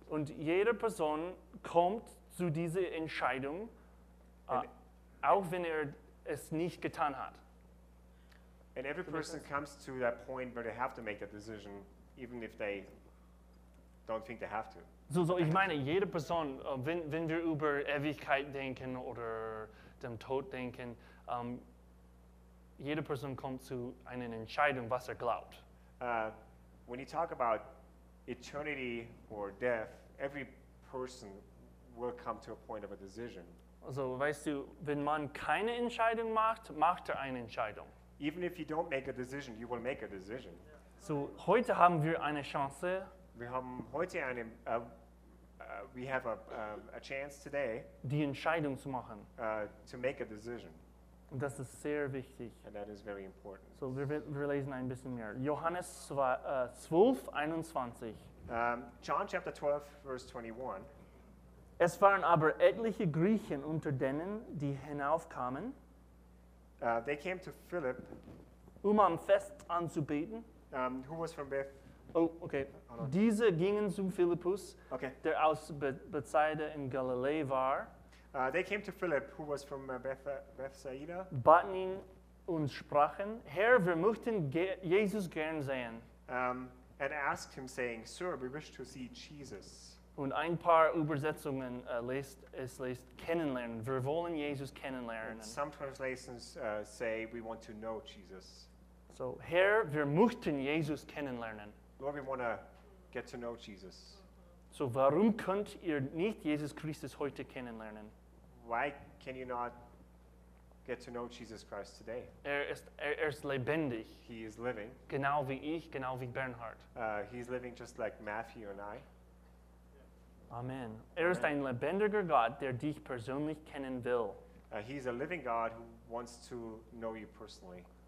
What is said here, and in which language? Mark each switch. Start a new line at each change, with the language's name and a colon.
German: Und jede Person kommt zu dieser Entscheidung, auch wenn es nicht getan hat.
English: And every person comes to that point where they have to make that decision, even if they don't think they have to.
German: So ich meine, jede Person, wenn wir über Ewigkeit denken oder dem Tod denken, jede Person kommt zu einer Entscheidung, was glaubt.
English: When you talk about eternity or death, every person will come to a point of a decision.
German: Also, weißt du, wenn man keine Entscheidung macht, macht eine Entscheidung.
English: Even if you don't make a decision, you will make a decision.
German: So heute haben wir eine Chance.
English: We have a chance today.
German: Die Entscheidung zu machen.
English: To make a decision.
German: Und das ist sehr wichtig.
English: And that is very important.
German: So wir lesen ein bisschen mehr. Johannes 12, 21.
English: John chapter 12, verse 21.
German: Es waren aber etliche Griechen unter denen, die hinaufkamen.
English: They came to Philip,
German: am Fest anzubeten.
English: Who was from Beth?
German: Oh, okay. Diese gingen zum Philippus,
English: okay.
German: Der aus Bethsaida in Galiläa war.
English: They came to Philip, who was from Bethsaida.
German: Baten ihn und sprachen, Herr, wir möchten Jesus gern sehen.
English: And asked him, saying, Sir, we wish to see Jesus.
German: Und ein paar Übersetzungen lest kennenlernen. Wir wollen Jesus kennenlernen.
English: And some translations say we want to know Jesus.
German: So, Herr, wir möchten Jesus kennenlernen.
English: Lord, we want to get to know Jesus.
German: So, warum könnt ihr nicht Jesus Christus heute kennenlernen?
English: Why can you not get to know Jesus Christ today?
German: Er ist lebendig.
English: He is living.
German: Genau wie ich, genau wie Bernhard.
English: He is living just like Matthew and I. Amen.
German: Ist ein lebendiger Gott, der dich persönlich kennen will.
English: He is a living God who wants to know you personally.